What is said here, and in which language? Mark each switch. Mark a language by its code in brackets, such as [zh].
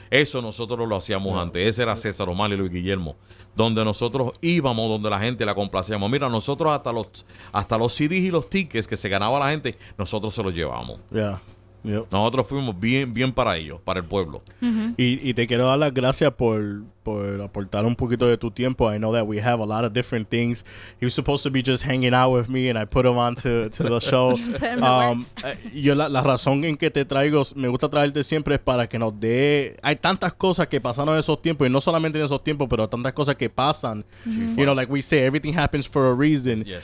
[es] Eso nosotros lo hacíamos antes. Ese era César Omar y Luis Guillermo, donde nosotros íbamos, donde la gente la complacíamos. Mira, nosotros hasta los CDs y los tickets que se ganaba la gente, nosotros se los llevamos. Nosotros fuimos bien para ellos, para el pueblo. Y te quiero dar las gracias por aportar un poquito de tu tiempo. [en] I know that we have a lot of different things. He was supposed to be just hanging out with me and I put him on to the show. [es] Yo la razón en que te traigo, me gusta traerte siempre, es para que nos dé, hay tantas cosas que pasaron en esos tiempos, y no solamente en esos tiempos, pero tantas cosas que pasan. [en] You know, like we say, everything happens for a reason.